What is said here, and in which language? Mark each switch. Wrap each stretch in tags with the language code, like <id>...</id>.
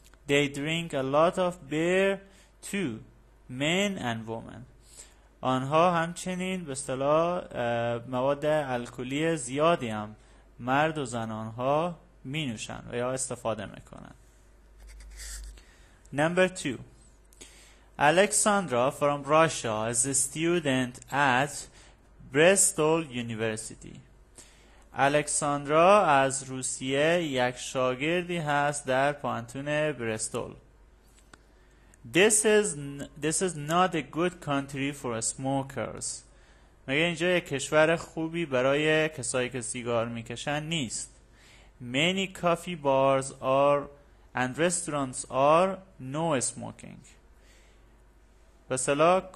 <en>They drink a lot of beer too. Men and women.</en> <fa>آنها همچنین به اصطلاح مواد الکلی زیادی هم مرد و زن آنها می نوشن و یا استفاده می کنن.</fa> <en>Number 2. Alexandra from Russia is a student at Bristol University.</en> <fa>Alexandra از روسیه یک شاگردی هست در پوهنتون بریستول.</fa> <en>This is not a good country for smokers.</en> <fa>مگه اینجا یک کشور خوبی برای کسایی که سیگار میکشن نیست.</fa> <en>Many coffee bars are and restaurants are no smoking.</en> <fa>مثلا</fa>